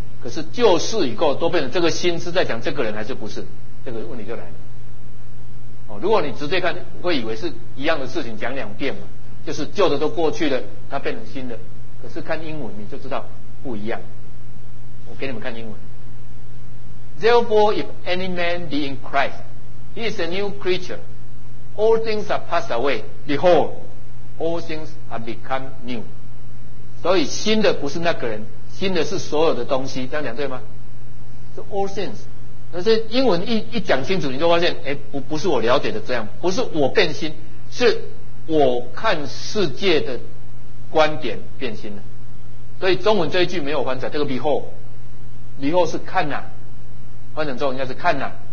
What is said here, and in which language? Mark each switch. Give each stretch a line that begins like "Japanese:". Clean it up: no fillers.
Chinese: 可是旧事已过，都变成这个新是在讲这个人还是不是，这个问题就来了、如果你直接看会以为是一样的事情讲两遍嘛，就是旧的都过去了，他变成新的。可是看英文你就知道不一样，我给你们看英文。
English: Therefore if any man be in Christ, he is a new creature, all things are passed away, beholdAll things have become new.
Chinese: 所以新的不是那个人，新的是所有的东西，这样讲对吗？
English: 是 all things.
Chinese: 但是英文 一讲清楚，你就发现不是我了解的这样，不是我变新，是我看世界的观点变心了。所以中文这一句没有翻转，这个 behold， behold 是看啊，翻成中文应该是看啊。